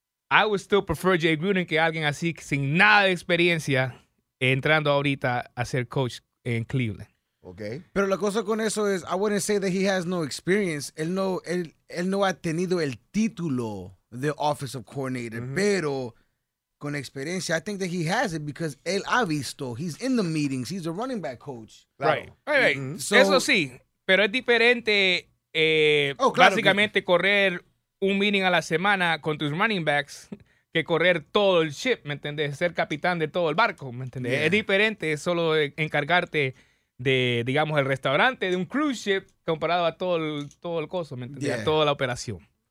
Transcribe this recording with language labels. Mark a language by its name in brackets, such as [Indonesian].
[English] I would still prefer Jay Gruden [Spanish] que alguien así sin nada de experiencia entrando ahorita a ser coach en Cleveland. Okay. Pero la cosa con eso es, [English] I wouldn't say that he has no experience. [Spanish] Él no ha tenido el título de Office of Coordinator, mm-hmm. pero... con experiencia, [English] I think that he has it because [Spanish] él ha visto, [English] he's in the meetings, he's a running back coach. Claro. Right. Mm-hmm. [Spanish] So, eso sí, pero es diferente claro básicamente que correr un meeting a la semana con tus running backs que correr todo el ship, ¿me entiendes? Ser capitán de todo el barco, ¿me entiendes? Yeah. Es diferente solo encargarte de, digamos, el restaurante, de un cruise ship comparado a todo el coso, ¿me entiendes? Yeah. A toda la operación.